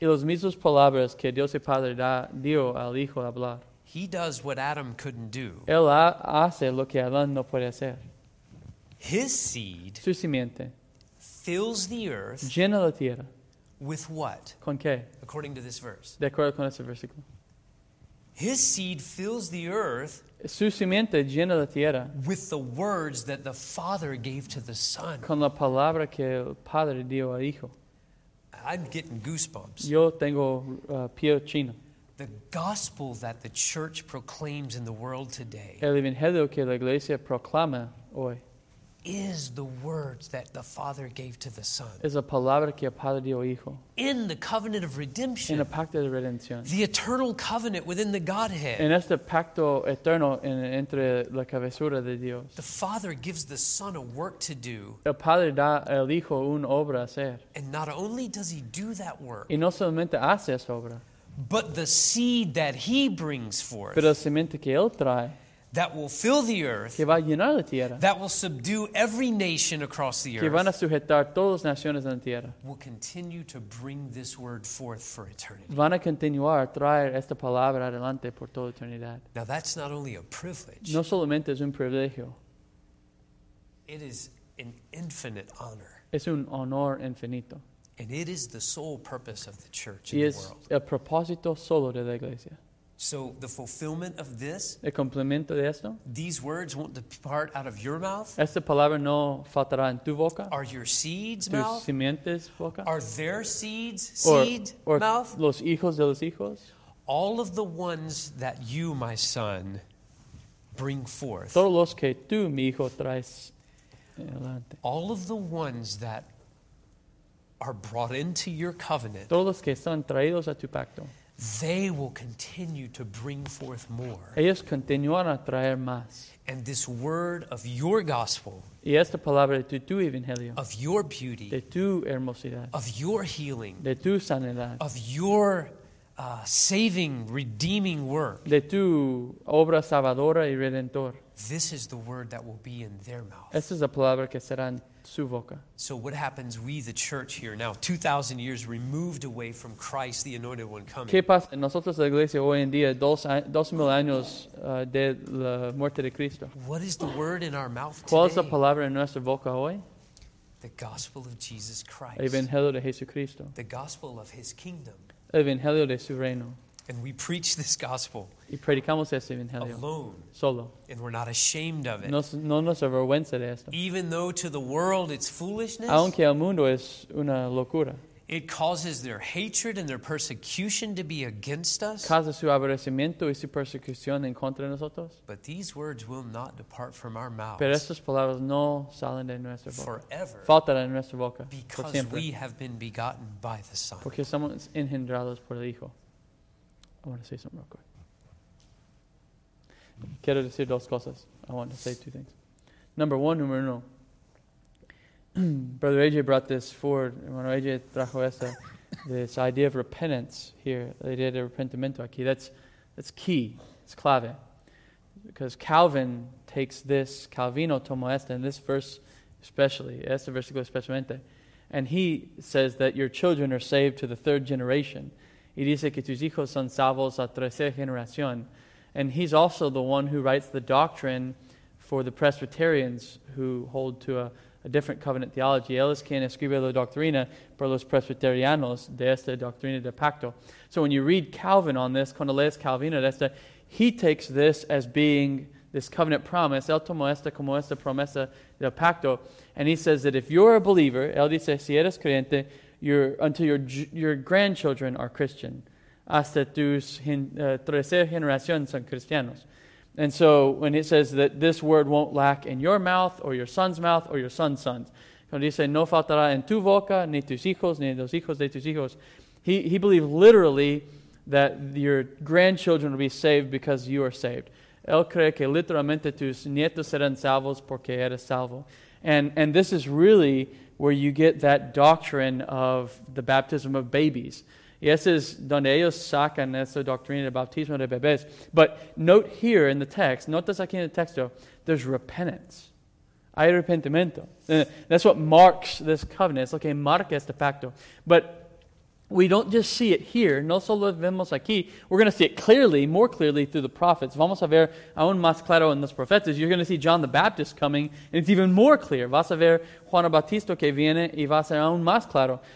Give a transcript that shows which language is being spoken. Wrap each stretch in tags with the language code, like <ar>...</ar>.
<es>Y los mismos palabras que Dios el Padre dio al Hijo a hablar.</es> <en>He does what Adam couldn't do.</en> <es>Él hace lo que Adán no puede hacer.</es> <en>His seed.</en> <es>Su simiente.</es> <en>Fills the earth.</en> <es>Llena la tierra.</es> <en>With what?</en> <es>¿Con qué?</es> <en>According to this verse.</en> <es>De acuerdo con este versículo.</es> <en>His seed fills the earth.</en> <es>Su simiente llena la tierra.</es> <en>With the words that the Father gave to the Son.</en> <es>Con la palabra que el Padre dio al Hijo.</es> <en>I'm getting goosebumps.</en> <es>Yo tengo piel china.</es> <en>The gospel that the church proclaims in the world today.</en> <es>El evangelio que la iglesia proclama hoy.</es> <en>Is the words that the Father gave to the Son.</en> <es>Es la palabra que el Padre dio al Hijo.</es> <en>In the covenant of redemption.</en> <es>En el pacto de redención.</es> <en>The eternal covenant within the Godhead.</en> <es>En este pacto eterno entre la cabezura de Dios.</es> <en>The Father gives the Son a work to do.</en> <es>El Padre da al Hijo una obra a hacer.</es> <en>And not only does he do that work.</en> <es>Y no solamente hace esa obra.</es> <en>But the seed that he brings forth.</en> <es>Pero la semente que él trae.</es> <en>That will fill the earth.</en> <es>Que va a llenar la tierra.</es> <en>That will subdue every nation across the earth.</en> <es>Que van a sujetar todas las naciones en la tierra.</es> <en>Will continue to bring this word forth for eternity.</en> <es>Van a continuar a traer esta palabra adelante por toda eternidad.</es> <en>Now that's not only a privilege.</en> <es>No solamente es un privilegio.</es> <en>It is an infinite honor.</en> <es>Es un honor infinito.</es> <en>And it is the sole purpose of the church</en> <es>y</es> <en>in the world.</en> <es>Y es el propósito solo de la iglesia.</es> <en>So the fulfillment of this,</en> <es>el cumplimiento de esto,</es> <en>these words won't depart out of your mouth.</en> <es>Esta palabra no faltará en tu boca.</es> <en>Are your seeds</en> <es>tus</es> <en>mouth?</en> <es>Simientes boca?</es> <en>Are their seeds seed or mouth?</en> <es>Los hijos de los hijos?</es> <en>All of the ones that you, my son, bring forth.</en> <es>Todos los que tú, mi hijo, traes adelante.</es> <en>All of the ones that are brought into your covenant.</en> <es>Todos los que son traídos a tu pacto.</es> <en>They will continue to bring forth more.</en> <es>Ellos continuarán a traer más.</es> <en>And this word of your gospel.</en> <es>Y esta palabra de tu evangelio.</es> <en>Of your beauty.</en> <es>De tu hermosidad.</es> <en>Of your healing.</en> <es>De tu sanidad.</es> <en>Of your saving, redeeming work.</en> <es>De tu obra salvadora y redentor.</es> <en>This is the word that will be in their mouth.</en> <es>Esta es la palabra que será en su boca.</es> <en>So what happens, we the church here now, 2,000 years removed away from Christ, the Anointed One coming.</en> <es>¿Qué pasa en nosotros la iglesia hoy en día, 2,000 años de la muerte de Cristo?</es> <en>What is the word in our mouth</en> <es>¿Cuál ¿Cuál es la palabra en nuestra boca hoy?</es> <en>The gospel of Jesus Christ.</en> <es>El evangelio de Jesucristo.</es> <en>The gospel of his kingdom.</en> <es>El evangelio de su reino.</es> <en>And we preach this gospel.</en> <es>Y predicamos este evangelio.</es> <en>Alone.</en> <es>Solo.</es> <en>And we're not ashamed of it.</en> <es>No nos avergüenza de esto.</es> <en>Even though to the world it's foolishness.</en> <es>Aunque al mundo es una locura.</es> <en>It causes their hatred and their persecution to be against us.</en> <es>Causa su aborrecimiento y su persecución en contra de nosotros.</es> <en>But these words will not depart from our mouths.</en> <es>Pero estas palabras no salen de nuestra boca.</es> <en>Forever.</en> <es>Faltarán en nuestra boca.</es> <en>Because we have been begotten by the Son.</en> <es>Porque somos engendrados por el Hijo.</es> <en>I want to say something real quick.</en> <es>Quiero decir dos cosas.</es> <en>I want to say two things. Number one,</en> <es>número uno.</es> <en>Brother AJ brought this forward.</en> <es>Hermano AJ trajo esta,</es> <en>this idea of repentance here. The idea</en> <es>de arrepentimiento aquí.</es> <en>That's key. It's clave. Because Calvin takes this.</en> <es>Calvino tomó esta.</es> <en>And this verse especially.</en> <es>Este versículo especialmente.</es> <en>And he says that your children are saved to the third generation.</en> <es>Y dice que tus hijos son salvos a tercera generación.</es> <en>And he's also the one who writes the doctrine for the Presbyterians who hold to a different covenant theology.</en> <es>Él es quien escribe la doctrina para los presbiterianos de esta doctrina de pacto.</es> <en>So when you read Calvin on this,</en> <es>cuando lees Calvino de esta,</es> <en>he takes this as being this covenant promise.</en> <es>Él tomó esta como esta promesa del pacto.</es> <en>And he says that if you're a believer,</en> <es>él dice, si eres creyente,</es> <en>until your grandchildren are Christian.</en> <es>Hasta tus tercera generación son cristianos.</es> <en>And so when it says that this word won't lack in your mouth or your son's sons,</en> <es>cuando dice no faltará en tu boca, ni tus hijos,</es> <en>ni los hijos de tus hijos, he believed literally that your grandchildren will be saved because you are saved.</en> <es>Él cree que literalmente tus nietos serán salvos porque eres salvo.</es> <en>And this is really where you get that doctrine of the baptism of babies.</en> <es>Y ese es donde ellos sacan esa doctrina de bautismo de bebés.</es> <en>But note here in the text,</en> <es>notas aquí en el texto,</es> <en>there's repentance.</en> <es>Hay arrepentimiento.</es> <en>That's what marks this covenant.</en> <es>Es lo que marca este pacto.</es> <en>But we don't just see it here.</en> <es>No solo vemos aquí.</es> <en>We're going to see it clearly, more clearly through the prophets.</en> <es>Vamos a ver aún más claro en los profetas.</es> <en>You're going to see John the Baptist coming, and it's even more clear.</en> <es>Vas a ver Juan Bautista que viene y va a ser aún más claro.</es>